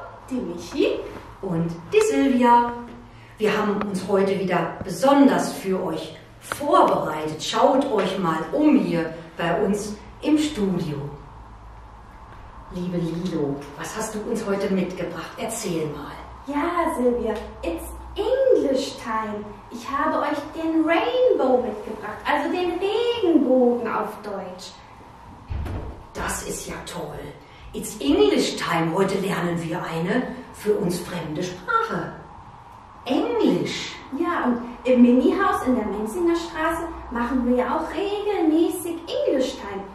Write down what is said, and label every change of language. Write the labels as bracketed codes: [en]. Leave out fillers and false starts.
[de] die Michi und die Silvia. Wir haben uns heute wieder besonders für euch vorbereitet. Schaut euch mal um hier bei uns im Studio. Liebe Lilo, was hast du uns heute mitgebracht? Erzähl mal. [en] Ja, Silvia, it's English time. [de] Ich habe euch den Rainbow mitgebracht, also den Regenbogen auf Deutsch. Das ist ja toll. [en] It's English time. [de] Heute lernen wir eine für uns fremde Sprache. Englisch. Ja, und im Minihaus in der Menzinger Straße machen wir ja auch regelmäßig English time.